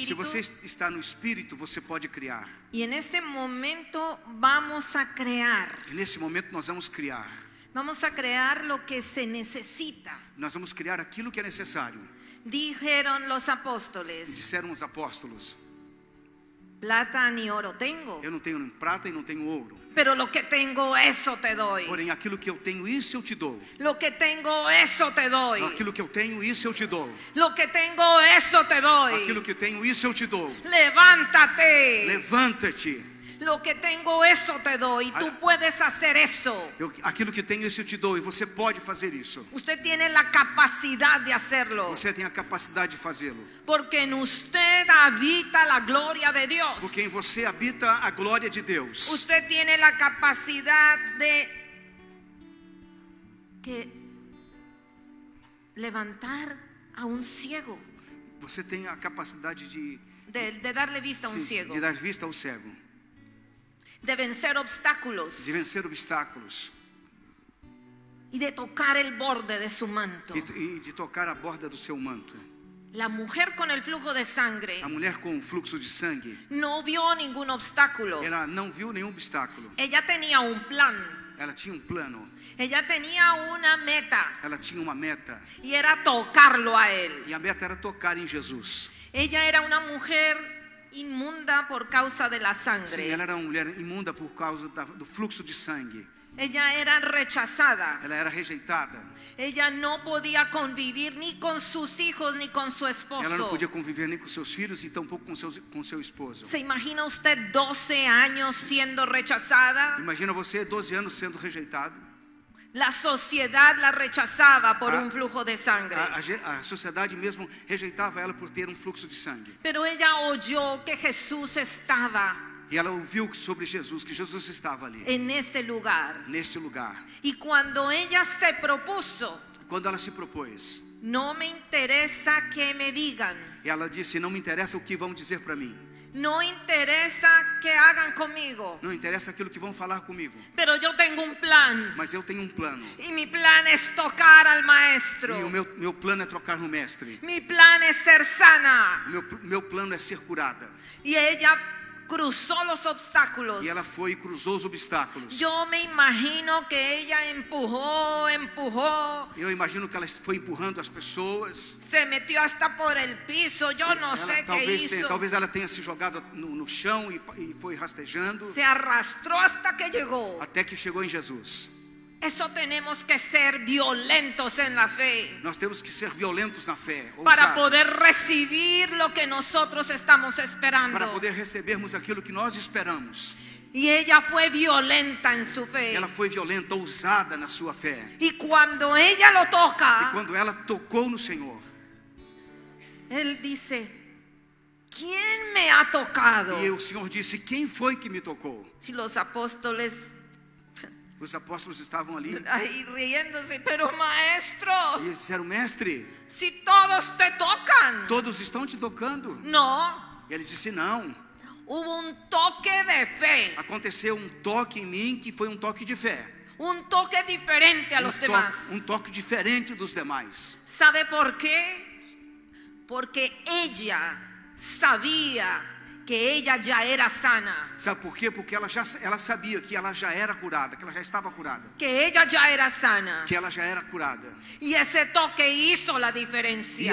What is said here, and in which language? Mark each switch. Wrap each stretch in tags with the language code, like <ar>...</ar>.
<pt>Sim, se você está no espírito, você pode criar.</pt> <es>Y en este momento vamos a crear.</es> <pt>E nesse momento nós vamos criar.</pt> <es>Vamos a crear lo que se necesita.</es> <pt>Nós vamos criar aquilo que é necessário.</pt> <es>Dijeron los apóstoles.</es> <pt>Disseram os apóstolos.</pt> <es>Plata ni oro tengo.</es> <pt>Eu não tenho nem prata e não tenho ouro.</pt> <es>Pero lo que tengo eso te doy.</es> <pt>Porém aquilo que eu tenho isso eu te dou.</pt> <es>Lo que tengo eso te doy.</es> <pt>Aquilo que eu tenho isso eu te dou.</pt> <es>Lo que tengo eso te doy.</es> <pt>Aquilo que tenho isso eu te dou.</pt> <es>Levántate.</es> <pt>Levanta-te.</pt> <es>Lo que tengo eso te doy. Tú puedes hacer eso.</es> <pt>Aquilo que tenho isso eu te dou e você pode fazer isso.</pt> <es>Usted tiene la capacidad de hacerlo.</es> <pt>Você tem a capacidade de fazê-lo.</pt> <es>Porque en usted habita la gloria de Dios.</es> <pt>Porque em você habita a glória de Deus.</pt> <es>Usted tiene la capacidad de que levantar a un ciego.</es> <pt>Você tem a capacidade</pt> <es>de darle vista a un ciego.</es> <pt>De dar vista ao cego.</pt> <es>De vencer obstáculos.</es> <pt>De vencer obstáculos.</pt> <es>Y de tocar el borde de su manto.</es> <pt>E de tocar a borda do seu manto.</pt> <es>La mujer con el flujo de sangre.</es> <pt>A mulher com o fluxo de sangue.</pt> <es>No vio ningún obstáculo.</es> <pt>Ela não viu nenhum obstáculo.</pt> <es>Ella tenía un plan.</es> <pt>Ela tinha um plano.</pt> <es>Ella tenía una meta.</es> <pt>Ela tinha uma meta.</pt> <es>Y era tocarlo a él.</es> <pt>E a meta era tocar em Jesus.</pt> <es>Ella era una mujer inmunda por causa de la sangre.</es> <pt>Sim, ela era uma mulher imunda por causa do fluxo de sangue.</pt> <es>Ella era rechazada.</es> <pt>Ela era rejeitada.</pt> <es>Ella no podía convivir ni con sus hijos ni con su esposo.</es> <pt>Ela não podia conviver nem com seus filhos e tampouco com seu esposo.</pt> <es>¿Se imagina usted 12 años siendo rechazada?</es> <pt>Imagina você 12 anos sendo rejeitado.</pt> <es>La sociedad la rechazaba por un flujo de sangre.</es> <pt>A sociedade mesmo rejeitava ela por ter um fluxo de sangue.</pt> <es>Pero ella oyó que Jesús estaba.</es> <pt>E ela ouviu sobre Jesus, que Jesus estava ali.</pt> <es>En ese lugar.</es> <pt>Neste lugar.</pt> <es>Y cuando ella se propuso.</es> <pt>Quando ela se propôs.</pt> <es>No me interesa que me digan.</es> <pt>Ela disse: não me interessa o que vão dizer para mim.</pt> <es>No interesa que hagan conmigo.</es> <pt>Não interessa aquilo que vão falar comigo.</pt> <es>Pero yo tengo un plan.</es> <pt>Mas eu tenho um plano.</pt> <es>Y mi plan es tocar al maestro.</es> <pt>E o meu plano é tocar no mestre.</pt> <es>Mi plan es ser sana.</es> <pt>Meu plano é ser curada.</pt> <es>Y ella cruzó los obstáculos. Y ella fue y cruzó los obstáculos. Yo me imagino que ella empujó. Yo imagino que ella fue empujando a las personas. Se metió hasta por el piso. Yo no sé qué hizo. Tal vez ella</es> <pt>tenha se jogado no chão</pt> <es>y fue</es> <pt>rastejando.</pt> <es>Se arrastró hasta que llegó.</es> <pt>Até que chegou em Jesus.</pt> <es>Eso tenemos que ser violentos en la fe.</es> <pt>Nós temos que ser violentos na fé.</pt> <es>Para poder recibir lo que nosotros estamos esperando.</es> <pt>Para poder recebermos aquilo que nós esperamos.</pt> <es>Y ella fue violenta en su fe.</es> <pt>Ela foi violenta, ousada na sua fé.</pt> <es>Y cuando ella lo toca.</es> <pt>E quando ela tocou no Senhor.</pt> <es>Él dice, ¿quién me ha tocado?</es> <pt>E o Senhor disse, quem foi que me tocou?</pt> <es>Si los apóstoles.</es> <pt>Os apóstolos estavam ali</pt> <es>riendo-se, pero maestro,</es> <pt>e disseram, mestre,</pt> <es>si todos te tocan,</es> <pt>todos estão te tocando.</pt> <es>No.</es> <pt>E ele disse, não,</pt> <es>hubo un toque de fe,</es> <pt>aconteceu um toque em mim que foi um toque de fé,</pt> <es>un toque diferente a los demás,</es> <pt>um toque diferente dos demais. Sabe por quê?</pt> <es>Porque ella sabia que ella ya era sana.</es> <pt>Sabe por quê? Porque ela sabia que ela já era curada, que ela já estava curada.</pt> <es>Que ella ya era sana.</es> <pt>Que ela já era curada.</pt> <es>Y ese toque hizo la diferencia.</es>